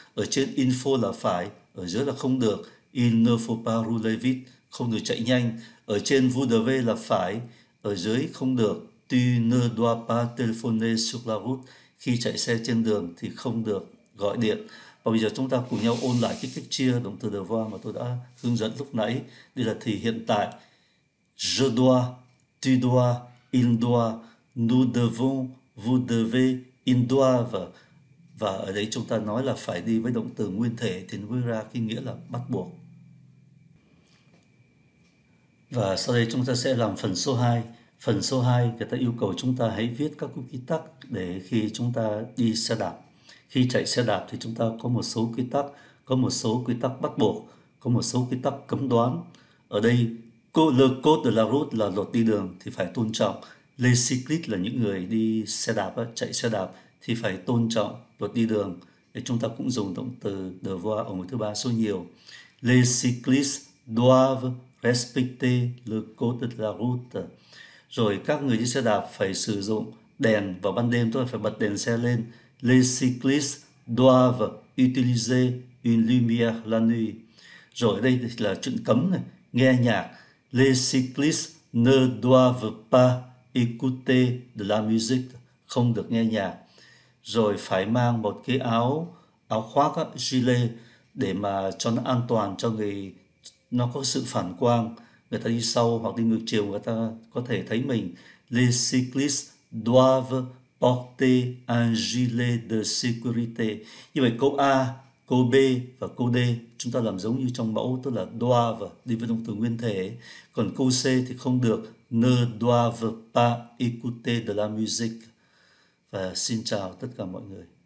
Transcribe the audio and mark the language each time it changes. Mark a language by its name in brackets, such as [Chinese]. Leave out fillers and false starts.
[Vietnamese] Ở trên info là phải, ở dưới là không được. [French] Il ne faut pas rouler vite, [Vietnamese] không được chạy nhanh. Ở trên vous devez là phải, ở dưới không được. [French] Tu ne dois pas téléphoner sur la route, [Vietnamese] khi chạy xe trên đường thì không được gọi điện. Và bây giờ chúng ta cùng nhau ôn lại cái cách chia động từ devoir mà tôi đã hướng dẫn lúc nãy. Đây là thì hiện tại. [French] Je dois, tu dois, il doit, nous devons, vous devez, ils doivent. [Vietnamese] Và ở đây chúng ta nói là phải đi với động từ nguyên thể thì nó mới ra cái nghĩa là bắt buộc. Và sau đây chúng ta sẽ làm phần số 2. Phần số 2 người ta yêu cầu chúng ta hãy viết các quy tắc để khi chúng ta đi xe đạp. Khi chạy xe đạp thì chúng ta có một số quy tắc, có một số quy tắc bắt buộc, có một số quy tắc cấm đoán. Ở đây, le code de la route là luật đi đường thì phải tôn trọng. Les cyclistes là những người đi xe đạp, chạy xe đạp thì phải tôn trọng luật đi đường. Để chúng ta cũng dùng động từ devoir ở ngôi thứ ba số nhiều. [French] Les cyclistes doivent respecter le code de la route. [Vietnamese] Rồi các người đi xe đạp phải sử dụng đèn vào ban đêm, tôi phải bật đèn xe lên. [French] Les cyclistes doivent utiliser une lumière la nuit. [Vietnamese] Rồi đây là chuyện cấm này, nghe nhạc. [French] Les cyclistes ne doivent pas écouter de la musique, [Vietnamese] không được nghe nhạc. Rồi phải mang một cái áo áo khoác á, gilet, để mà cho nó an toàn, cho người nó có sự phản quang, người ta đi sau hoặc đi ngược chiều người ta có thể thấy mình. [French] Les cyclistes doivent porter un gilet de sécurité. [Vietnamese] Như vậy câu A, câu B và câu D chúng ta làm giống như trong mẫu, tức là doivent và đi với động từ nguyên thể. Còn câu C thì không được, [French] ne doivent pas écouter de la musique. [Vietnamese] Và xin chào tất cả mọi người.